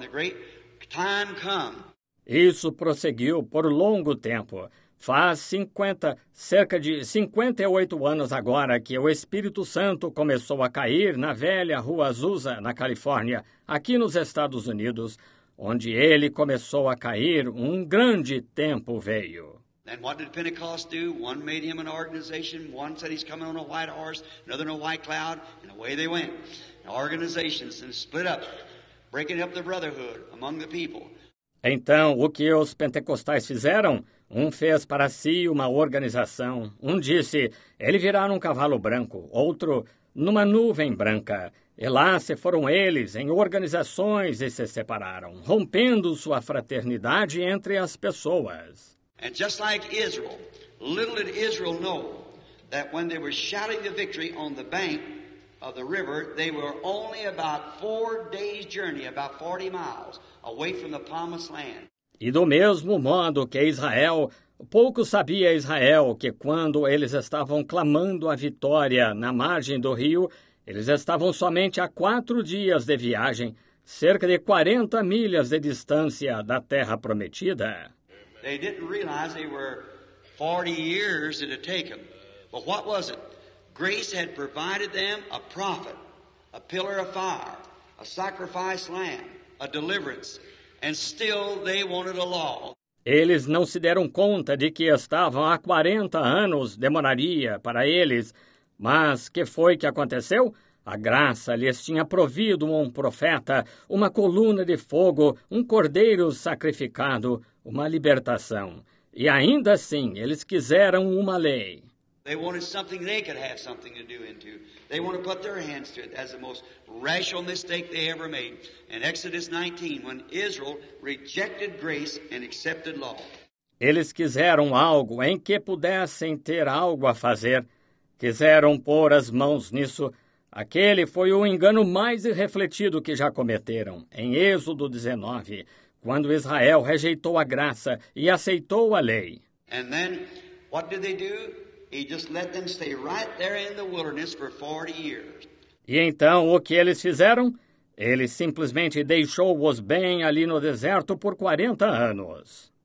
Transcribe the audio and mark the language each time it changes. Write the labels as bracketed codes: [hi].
[en] The great time come. [pt] Isso prosseguiu por longo tempo. Faz cerca de 58 anos agora que o Espírito Santo começou a cair na velha Rua Azusa, na Califórnia, aqui nos Estados Unidos, onde ele começou a cair, um grande tempo veio. [en] And what did Pentecost do? One made him an organization, one said he's coming on a white horse, another on a white cloud, and away they went. And organizations and split up, breaking up the brotherhood among the people. [pt] Então, o que os pentecostais fizeram? Um fez para si uma organização. Um disse, ele virá num cavalo branco. Outro, numa nuvem branca. E lá se foram eles em organizações e se separaram, rompendo sua fraternidade entre as pessoas. [en] And just like Israel, little did Israel know that when they were shouting the victory on the bank of the river, they were only about 4 days' journey, about 40 miles, away from the Promised Land. [pt] E do mesmo modo que Israel, pouco sabia Israel que quando eles estavam clamando a vitória na margem do rio, eles estavam somente a 4 dias de viagem, cerca de 40 milhas de distância da terra prometida. [en] They didn't realize they were 40 years it had taken. But what was it? Grace had provided them a prophet, a pillar of fire, a sacrifice lamb, a deliverance, and still they wanted a law. [pt] Eles não se deram conta de que estavam há 40 anos demoraria para eles, mas que foi que aconteceu? A graça lhes tinha provido um profeta, uma coluna de fogo, um cordeiro sacrificado, uma libertação. E ainda assim, eles quiseram uma lei. [en] They wanted something they could have something to do into. They wanted to put their hands to it. That's the most racial mistake they ever made. In Exodus 19, when Israel rejected grace and accepted law. [pt] Eles quiseram algo em que pudessem ter algo a fazer. Quiseram pôr as mãos nisso. Aquele foi o engano mais irrefletido que já cometeram. Em Êxodo 19, quando Israel rejeitou a graça e aceitou a lei. [en] And then, what did they do? He just let them stay right there in the wilderness for 40 years. [pt] E então, o que eles fizeram? Ele simplesmente deixou-os bem ali no deserto por 40 anos.